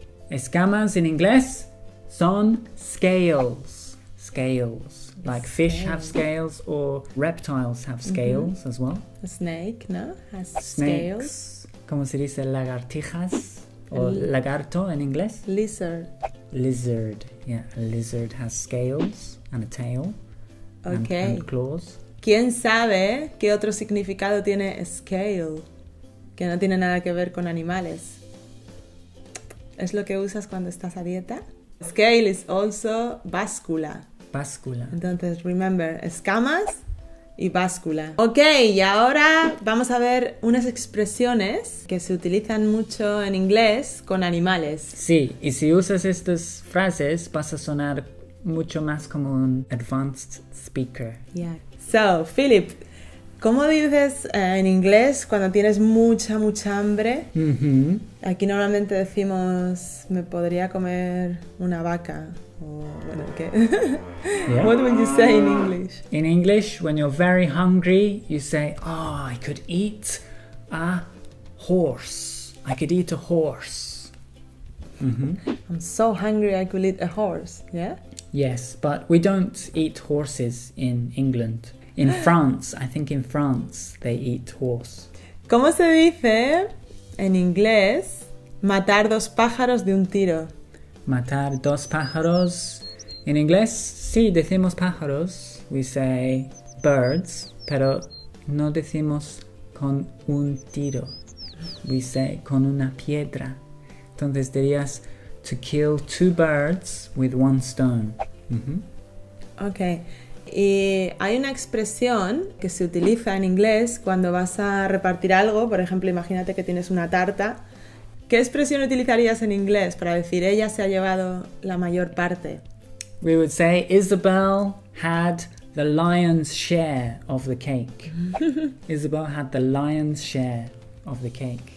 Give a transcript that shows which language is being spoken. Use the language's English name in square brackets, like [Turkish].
[Spanish] Escamas en inglés son scales. Scales. [English] Like fish have scales or reptiles have scales, mm-hmm, as well. A snake, ¿no? Has snakes. Scales. [Spanish] ¿Cómo se dice lagartijas? O lagarto en inglés. [English] Lizard. lizard. Yeah, a lizard has scales and a tail. Okay. And claws. [Spanish] ¿Quién sabe qué otro significado tiene scale? Que no tiene nada que ver con animales. Es lo que usas cuando estás a dieta. [English] Scale is also báscula. [Spanish] Báscula. Entonces, remember, escamas y báscula. Ok, y ahora vamos a ver unas expresiones que se utilizan mucho en inglés con animales. Sí, y si usas estas frases vas a sonar mucho más como un [English] advanced speaker. Yeah. [Spanish] So, Philip, ¿cómo dices en inglés cuando tienes mucha, mucha hambre? Mm-hmm. Aquí normalmente decimos, me podría comer una vaca. [English] Yeah. What would you say in English? In English, when you're very hungry, you say, oh, I could eat a horse. I could eat a horse. Mm-hmm. I'm so hungry I could eat a horse, yeah? Yes, but we don't eat horses in England. In France, I think in France, they eat horse. [Spanish] ¿Cómo se dice en inglés matar dos pájaros de un tiro? Matar dos pájaros. En inglés, sí, decimos pájaros. [English] We say birds, [Spanish] pero no decimos con un tiro. [English] We say [Spanish] con una piedra. Entonces dirías [English] to kill two birds with one stone. Mm-hmm. Okay. [Spanish] Y hay una expresión que se utiliza en inglés cuando vas a repartir algo. Por ejemplo, imagínate que tienes una tarta. ¿Qué expresión utilizarías en inglés para decir ella se ha llevado la mayor parte? [English] We would say Isabel had the lion's share of the cake. Isabel had the lion's share of the cake.